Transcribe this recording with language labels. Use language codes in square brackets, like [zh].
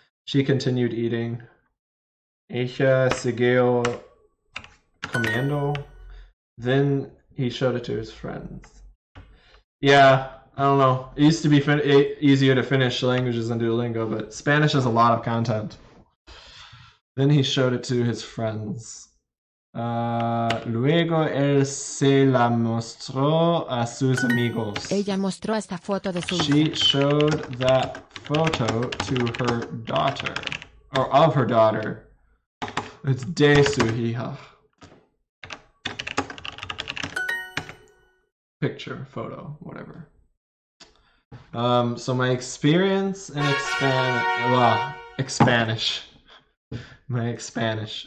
[en] She continued eating. [es] Ella siguió comiendo. [en] Then he showed it to his friends. Yeah, I don't know. It used to be easier to finish languages than Duolingo, but Spanish has a lot of content. Then he showed it to his friends. [es] Luego él se la mostró a sus amigos. Ella mostró esta foto de su [en] hija. She showed that photo to her daughter. Or of her daughter. It's [es] de su hija. [en] Picture, photo, whatever. So my experience in Spanish. My Spanish.